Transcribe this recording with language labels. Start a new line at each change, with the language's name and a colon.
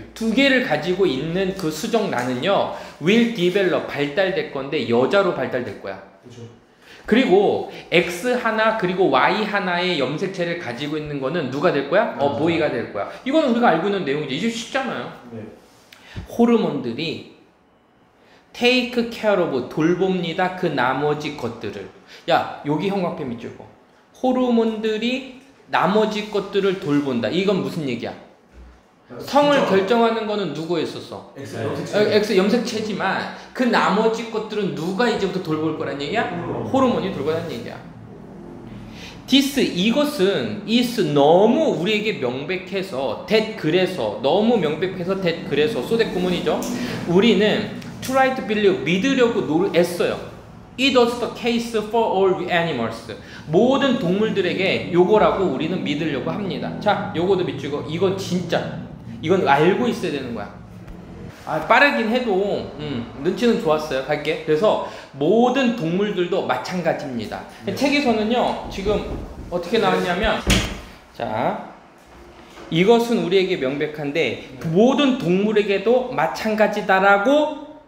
Korean: 두 개를 가지고 있는 그 수정란은요,
English: will develop,
Korean: 발달될 건데, 여자로 발달될 거야. 그죠. 그리고 X 하나, 그리고 Y 하나의 염색체를 가지고 있는 거는 누가 될 거야? 보이가 될 거야. 이건 우리가 알고 있는 내용이지. 이제 쉽잖아요. 네. 호르몬들이
English: take care of,
Korean: 돌봅니다. 그 나머지 것들을. 야, 여기 형광펜 밑줄 거. 호르몬들이 나머지 것들을 돌본다. 이건 무슨 얘기야? 성을 결정하는 거는 누구였었어? X 염색체지만 그 나머지 것들은 누가 이제부터 돌볼 거란 얘기야? 호르몬이 돌본다는 얘기야. This, 이것은 is 너무 우리에게 명백해서 that 그래서 너무 명백해서 that 그래서 소대 구문이죠. 우리는
English: try to believe
Korean: 믿으려고 애써요.
English: It was the case for all animals.
Korean: 모든 동물들에게 요거라고 우리는 믿으려고 합니다. 자, 요거도 믿고 이거 진짜 이건 알고 있어야 되는 거야. 아, 빠르긴 해도 눈치는 좋았어요. 갈게. 그래서 모든 동물들도 마찬가지입니다. 네. 책에서는요 지금 어떻게 나왔냐면 자 이것은 우리에게 명백한데 모든 동물에게도 마찬가지다라고.